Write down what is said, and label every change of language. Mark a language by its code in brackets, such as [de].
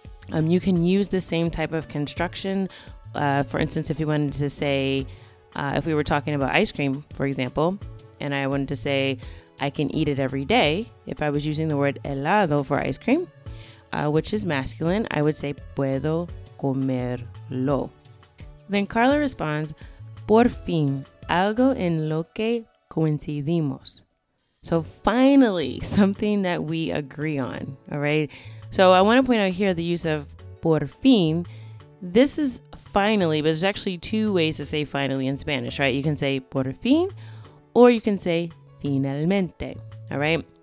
[en] You can use the same type of construction. For instance, if you wanted to say, if we were talking about ice cream, for example, and I wanted to say, I can eat it every day, if I was using the word helado for ice cream, which is masculine, I would say, [es] puedo comerlo. [en] Then Carla responds, [es] por fin, algo en lo que coincidimos. [en] So finally, something that we agree on, all right? So I want to point out here the use of [es] por fin. [en] This is finally, but there's actually two ways to say finally in Spanish, right? You can say [es] por fin, [en] or you can say finalmente, all right?